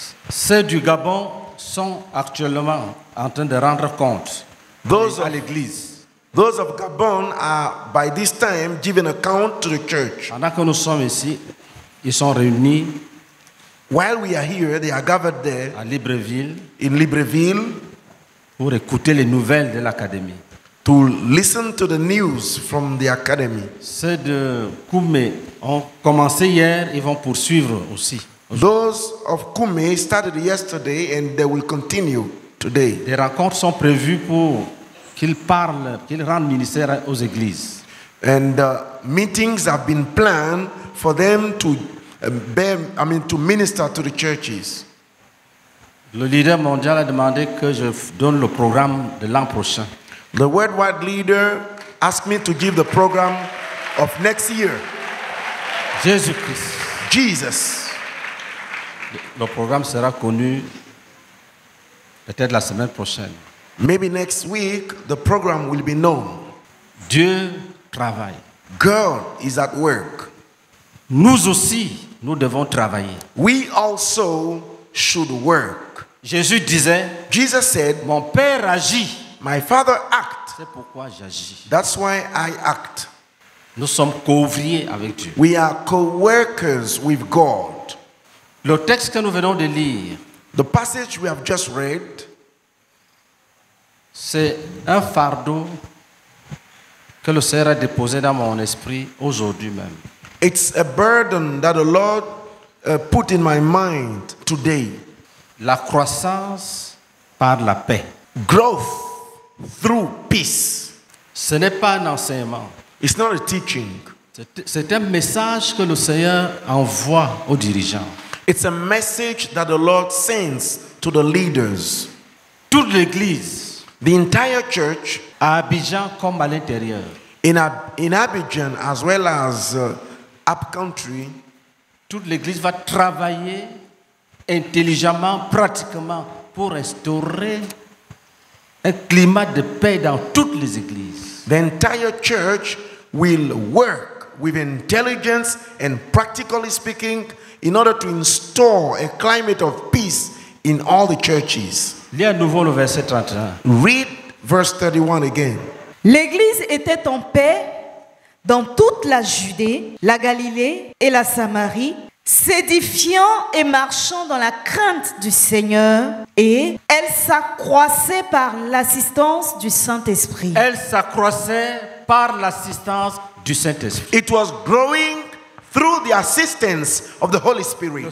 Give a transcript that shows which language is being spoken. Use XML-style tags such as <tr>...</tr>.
<fr>Ceux du Gabon sont actuellement en train de rendre compte</fr> <en>those</en> <fr>à l'église.</fr> <en>Those of Gabon are, by this time, giving account to the church.</en> <fr>Pendant que nous sommes ici, ils sont réunis.</fr> <en>While we are here, they are gathered there.</en> <fr>À Libreville.</fr> <en>In Libreville.</en> <fr>Pour écouter les nouvelles de l'académie.</fr> <en>To listen to the news from the academy.</en> <fr>Ceux de Koumé ont commencé hier, ils vont poursuivre aussi.</fr> <en>Those of Koumé started yesterday and they will continue today.</en> <fr>Des rencontres sont prévues pour qu'il parle, qu'il rende ministère aux églises.</fr> <en>And meetings have been planned for them to to minister to the churches.</en> <fr>Le leader mondial a demandé que je donne le programme de l'an prochain.</fr> <en>The worldwide leader asked me to give the program of next year.</en> <fr>Jésus-Christ.</fr> <en>Jesus.</en> <fr>Le programme sera connu peut-être la semaine prochaine.</fr> <en>Maybe next week the program will be known.</en> <fr>Dieu travaille.</fr> <en>God is at work.</en> <fr>Nous aussi, nous devons travailler.</fr> <en>We also should work.</en> <fr>Jésus disait,</fr> <en>Jesus said,</en> <fr>mon père agit.</fr> <en>My father act.</en> <fr>C'est pourquoi j'agis.</fr> <en>That's why I act.</en> <fr>Nous sommes co-ouvriers avec Dieu.</fr> <en>We are co-workers with God.</en> <fr>Le texte que nous venons de lire,</fr> <en>the passage we have just read,</en> <fr>c'est un fardeau que le Seigneur a déposé dans mon esprit aujourd'hui même.</fr> <en>It's a burden that the Lord put in my mind today.</en> <fr>La croissance par la paix.</fr> <en>Growth through peace.</en> <fr>Ce n'est pas un enseignement.</fr> <en>It's not a teaching.</en> <fr>C'est un message que le Seigneur envoie aux dirigeants.</fr> <en>It's a message that the Lord sends to the leaders.</en> <fr>Toute l'église.</fr> <en>The entire church,</en> <fr>à Abidjan comme à l'intérieur,</fr> <en>in Abidjan as well as up country,</en> <fr>toute l'église va travailler intelligemment, pratiquement, pour instaurer un climat de paix dans toutes les églises.</fr> <en>The entire church will work with intelligence and practically speaking in order to instill a climate of peace in all the churches.</en> <fr>Lis à nouveau le verset 31.</fr> <en>Read verse 31 again.</en> <fr>L'église était en paix dans toute la Judée, la Galilée et la Samarie, s'édifiant et marchant dans la crainte du Seigneur, et elle s'accroissait par l'assistance du Saint-Esprit. Elle s'accroissait par l'assistance du Saint-Esprit.</fr> <en>It was growing through the assistance of the Holy Spirit.</en>